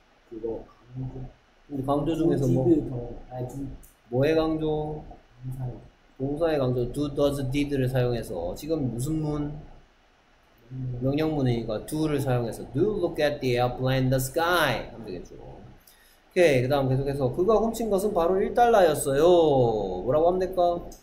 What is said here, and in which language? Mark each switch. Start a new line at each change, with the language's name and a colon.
Korean: 그거 강조 중에서 뭐? 뭐의 강조? 동사의 강조. do, does, did를 사용해서. 지금 무슨 문? 명령문이니까 do를 사용해서.
English: do look at the airplane in the sky.
Korean: 하면 되겠죠. 오케이. 그 다음 계속해서. 그가 훔친 것은 바로 1달러였어요. 뭐라고 하면 될까?